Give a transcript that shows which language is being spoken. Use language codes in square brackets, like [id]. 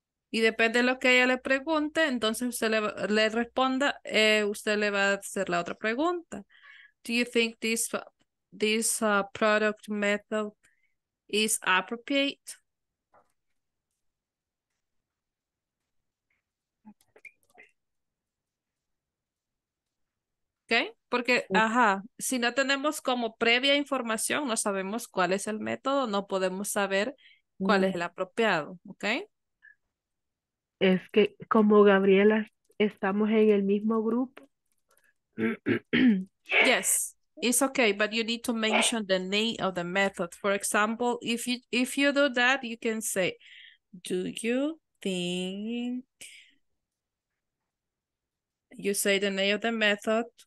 [es] Y depende de lo que ella le pregunte, entonces usted le responda, usted le va a hacer la otra pregunta. [en] Do you think this product method is appropriate? [es] Okay, porque, ajá, si no tenemos como previa información, no sabemos cuál es el método, no podemos saber cuál es el apropiado, ¿ok? Es que como Gabriela estamos en el mismo grupo, [en] Yes, it's okay, but you need to mention the name of the method. For example, if you do that, you can say, do you think, you say the name of the method.